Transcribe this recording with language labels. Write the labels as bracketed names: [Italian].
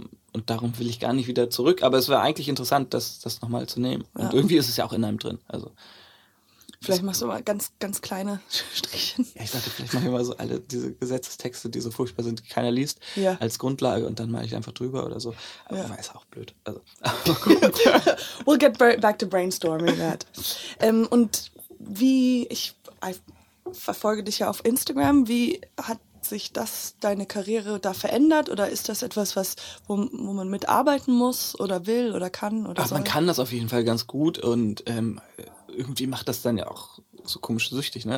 [German] Und darum will ich gar nicht wieder zurück, aber es wäre eigentlich interessant, das nochmal zu nehmen. Ja. Und irgendwie ist es ja auch in einem drin. Also, vielleicht machst du mal ganz, ganz kleine Strichchen. Ja, ich dachte, vielleicht mache ich mal so alle diese Gesetzestexte, die so furchtbar sind, die keiner liest, als Grundlage und dann mache ich einfach drüber oder so. Aber ich weiß auch blöd. Also, [English] we'll get back to brainstorming that. [German] Und wie, ich verfolge dich ja auf Instagram, wie hat sich das, deine Karriere da verändert oder ist das etwas, was wo man mitarbeiten muss oder will oder kann? Oder ach, man kann das auf jeden Fall ganz gut und irgendwie macht das dann ja auch so komisch süchtig, ne?